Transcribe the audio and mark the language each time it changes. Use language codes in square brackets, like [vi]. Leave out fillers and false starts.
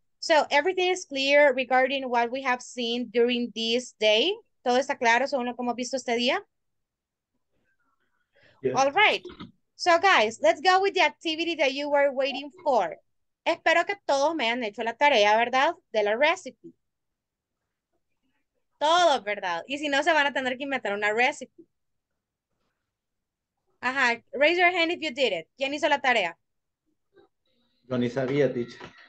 [en] So, everything is clear regarding what we have seen during this day. [es] ¿Todo está claro según lo que hemos visto este día? [en] Yeah. All right. So, guys, let's go with the activity that you were waiting for. [es] Espero que todos me hayan hecho la tarea, ¿verdad? De la recipe. Todos, ¿verdad? Y si no, se van a tener que inventar una recipe. [en] Ajá. Raise your hand if you did it. [es] ¿Quién hizo la tarea? Yo ni sabía, teacher.